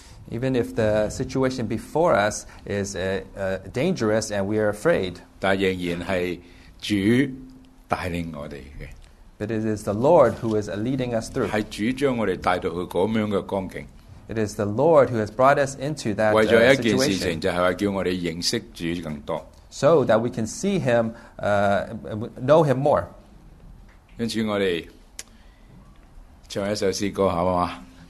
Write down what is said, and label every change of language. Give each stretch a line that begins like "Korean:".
English: even if the situation before us is dangerous and we are afraid,
Chinese: 但仍然是主带领我们的，
English: but it is the Lord who is leading us through. It is the Lord who has brought us into that situation, so that we can see Him, know Him more.
Chinese: 因此我们唱一首诗歌好吗？